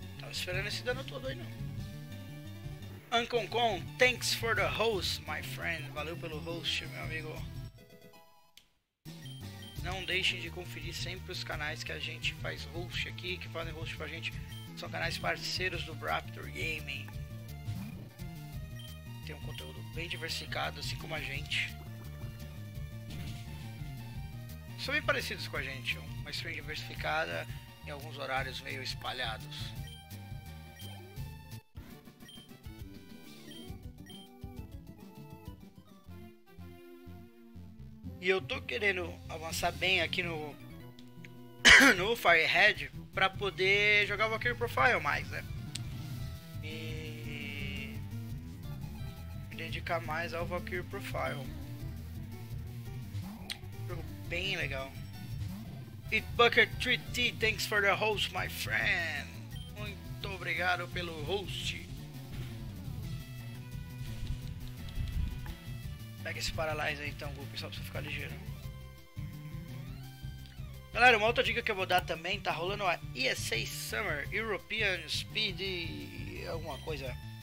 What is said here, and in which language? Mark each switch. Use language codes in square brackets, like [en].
[pt] Esperando esse dano todo aí, não. [en] Ancon, thanks for the host, my friend. [pt] Valeu pelo host, meu amigo. Não deixem de conferir sempre os canais que a gente faz host aqui, que fazem host pra gente. São canais parceiros do Raptor Gaming. Tem um conteúdo bem diversificado, assim como a gente. São bem parecidos com a gente. Uma stream diversificada em alguns horários meio espalhados. E eu tô querendo avançar bem aqui no no Firehead pra poder jogar o Valkyrie Profile mais, né? E me dedicar mais ao Valkyrie Profile. Jogo bem legal. [en] Eatbucket3T, thanks for the host, my friend. [pt] Muito obrigado pelo host. Pega esse Paralyze aí então, Gupi, só pra você ficar ligeiro. Galera, uma outra dica que eu vou dar também, tá rolando a ESA Summer, European Speed... alguma coisa.